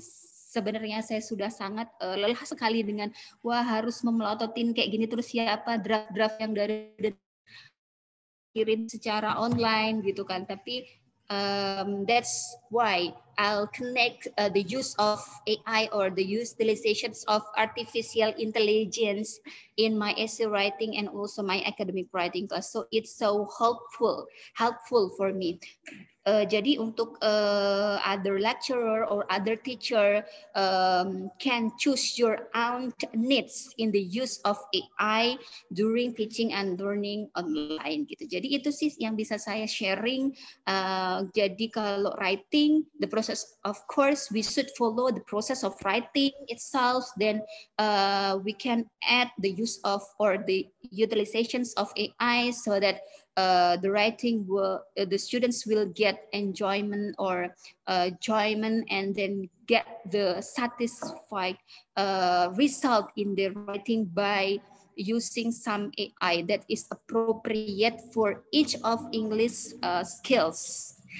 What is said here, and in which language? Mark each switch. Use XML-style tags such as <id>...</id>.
<id>Sebenarnya saya sudah sangat lelah sekali dengan harus memelototin kayak gini terus ya, apa draft-draft yang dari kirim secara online gitu kan. Tapi</id> <en>that's why I'll connect the use of AI or the utilizations of artificial intelligence in my essay writing and also my academic writing class. So it's so helpful for me.</en> <id>Jadi untuk</id> <en>other lecturer or other teacher can choose your own needs in the use of AI during teaching and learning online</en> <id>gitu. Jadi itu sih yang bisa saya sharing. Jadi kalau</id> <en>writing, the process, of course we should follow the process of writing itself. Then we can add the use of or the utilizations of AI so that the writing will the students will get enjoyment or enjoyment and then get the satisfied result in their writing by using some AI that is appropriate for each of English skills.</en>